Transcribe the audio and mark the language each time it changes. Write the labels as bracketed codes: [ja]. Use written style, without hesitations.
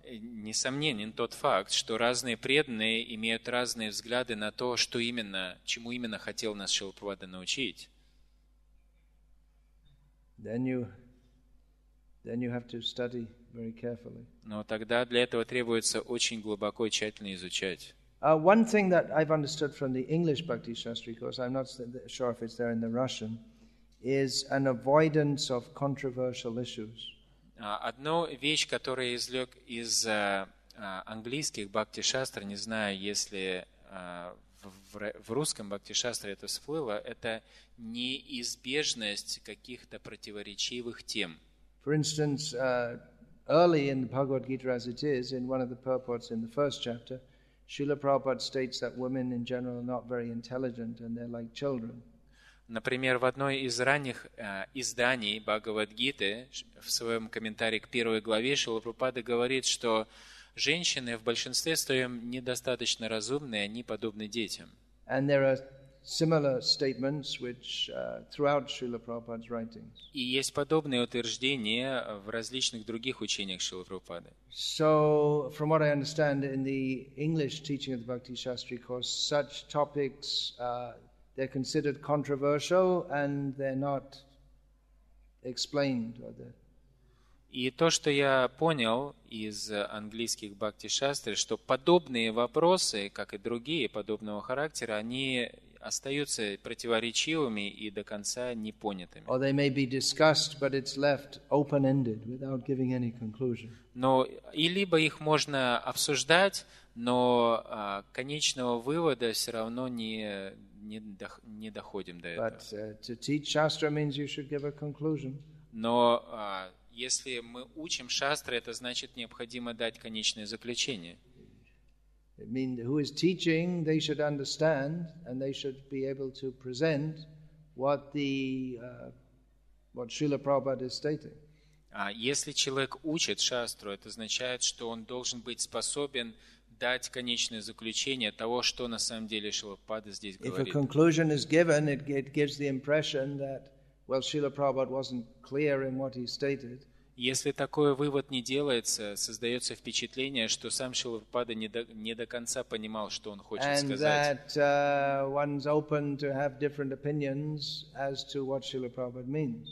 [ru] Несомненен тот факт, что разные преданные имеют разные взгляды на то, что именно, чему именно хотел нас Шрила Прабхупада научить. [en] Then you have to study very carefully. [ru] Но тогда для этого требуется очень глубоко и тщательно изучать. [en] One thing that I've understood from the English Bhakti Shastri, because I'm not sure if it's there in the Russian, is an avoidance of controversial issues. [ru] Одна вещь, которую извлек из английских Бхакти Шастр, не знаю, если в русском Бхакти Шастре это всплыло, это неизбежность каких-то противоречивых тем. [en] For instance, early in the Bhagavad Gita as it is, in one of the purports in the first chapter, Srila Prabhupada states that women in general are not very intelligent and they're like children. [ru] Например, в одной из ранних изданий Бхагавад-гиты, в своем комментарии к первой главе, Шрила Прабхупада говорит, что женщины в большинстве своем недостаточно разумные, они подобны детям. [en] And there are similar statements which, throughout Srila Prabhupada's writings. [ru] И есть подобные утверждения в различных других учениях Шрилы Прабхупады. [en] So, from what I understand, in the English teaching of the Bhakti Shastri course, such topics, they're considered controversial and they're not explained. [ru] И то, что я понял из английских бхакти-шастр, что подобные вопросы, как и другие подобного характера, они остаются противоречивыми и до конца непонятыми. [en] Or they may be discussed, but it's left open-ended, without giving any conclusion. [ru] Но и либо их можно обсуждать, но конечного вывода все равно не доходим до этого. [en] But to teach shastra means you should give a conclusion. [ru] Но если мы учим шастры, это значит необходимо дать конечное заключение. [en] It means who is teaching, they should understand and they should be able to present what the what Srila Prabhupada is stating. [ru] А если человек учит шастру, это означает, что он должен быть способен дать конечное заключение того, что на самом деле Шрила Прабхупада здесь говорит. [en] If a conclusion is given, it gives the impression that, well, Srila Prabhupada wasn't clear in what he stated. [ru] Если такой вывод не делается, создается впечатление, что сам Шрила Прабхупада не до конца понимал, что он хочет [en] and [ru] сказать. [en] That, one's open to have different opinions as to what Srila Prabhupada means.